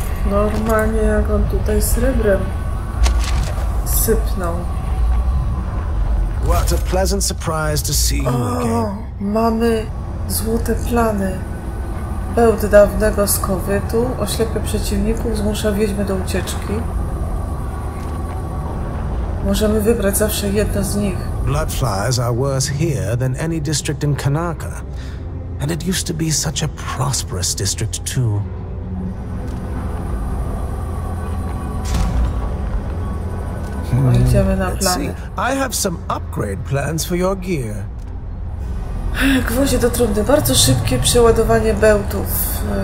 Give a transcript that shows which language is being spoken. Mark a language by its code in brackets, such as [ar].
[pl] Normalnie jak on tutaj srebrem sypnął. [en] What a pleasant surprise to see you again. [pl] O, mamy złote plany. Bełt dawnego skowytu oślepia przeciwników, zmusza wiedźmy do ucieczki. Możemy wybrać zawsze jedno z nich. [en] Bloodflies are worse here than any district in Kanaka. And it used to be such a prosperous district too. Let's see. I have some upgrade plans for your gear. [pl] Gwoździe do trumny. Bardzo szybkie przeładowanie bełtów.